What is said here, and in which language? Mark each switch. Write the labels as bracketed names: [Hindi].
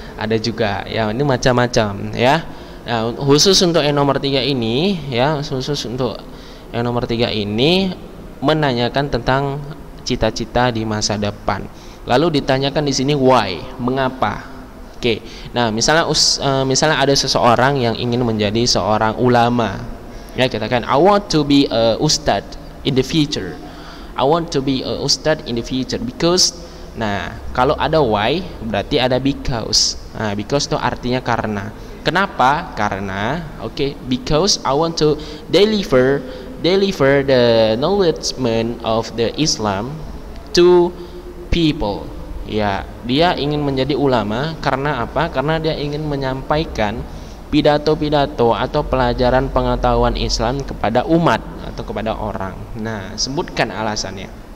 [Indonesian] Ada juga ya, ini macam-macam ya. Nah, khusus untuk yang nomor 3 ini ya, khusus untuk yang nomor 3 ini menanyakan tentang cita-cita di masa depan. Lalu ditanyakan di sini why, mengapa. Oke. Nah, misalnya ada seseorang yang ingin menjadi seorang ulama. Ya, kita kan [English] I want to be a ustad in the future. I want to be a ustad in the future because. [Indonesian] Nah, kalau ada [English] why [Indonesian] berarti ada [English] because. Nah, because [Indonesian] itu artinya karena. Kenapa? Karena [English] okay, because I want to deliver the knowledge of the Islam to people. [Indonesian] Ya, dia ingin menjadi ulama karena apa? Karena dia ingin menyampaikan pidato-pidato atau pelajaran pengetahuan Islam kepada umat atau kepada orang. Nah, sebutkan alasannya.